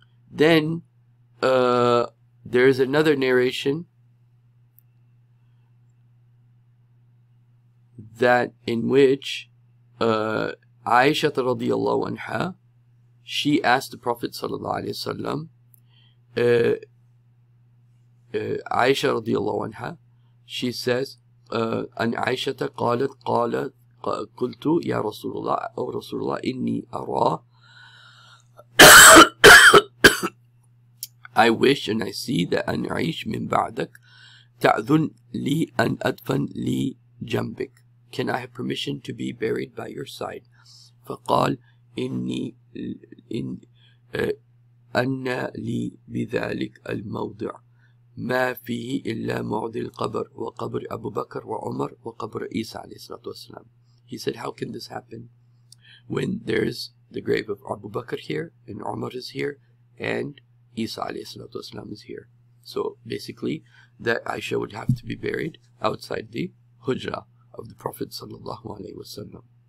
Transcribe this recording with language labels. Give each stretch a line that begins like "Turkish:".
English: Then there is another narration that in which Aisha radiallahu anha, she asked the Prophet sallallahu alaihi wasallam, Aisha radiallahu anha, she says,
Arabic: an Aisha qalat qultu ya Rasulullah,
English: oh Rasulullah,
Arabic: inni ara,
English: I wish and I see that
Arabic: an Aish min ba'dak ta'dhun li an adfan li jambik.
English: Can I have permission to be buried by your side?
Arabic: فقال إني إن أن لي بذلك الموضع ما فيه إلا موضع القبر وقبر أبو بكر وعمر وقبر عيسى عليه الصلاة والسلام.
English: He said, how can this happen when there is the grave of Abu Bakr here and Umar is here and Isa
Arabic: عليه الصلاة والسلام
English: is here? So basically that Aisha would have to be buried outside the hujra of the Prophet
Arabic: صلى الله عليه وسلم.